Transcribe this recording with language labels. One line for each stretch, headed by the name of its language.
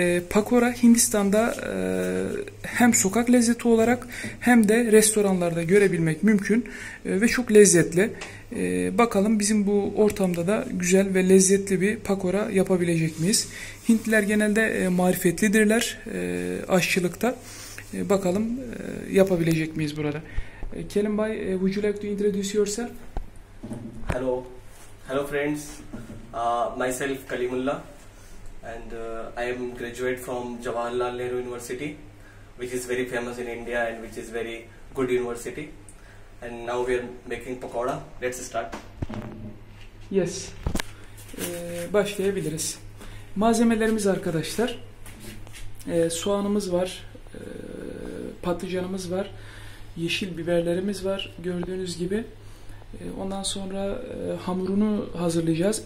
Turkish: Pakora Hindistan'da hem sokak lezzeti olarak hem de restoranlarda görebilmek mümkün ve çok lezzetli. Bakalım bizim bu ortamda da güzel ve lezzetli bir pakora yapabilecek miyiz? Hintliler genelde marifetlidirler aşçılıkta. Bakalım yapabilecek miyiz burada?
English: Kelim Bay, would you like to introduce yourself? Hello. Hello friends. Myself Kalimullah. And I am graduate from Jawaharlal Nehru University, which is very famous in India and which is very good university. And now we are making pakora. Let's start.
Turkish: Yes. Başlayabiliriz. Malzemelerimiz arkadaşlar. Soğanımız var. Patlıcanımız var. Yeşil biberlerimiz var. Gördüğünüz gibi. Ondan sonra hamurunu hazırlayacağız.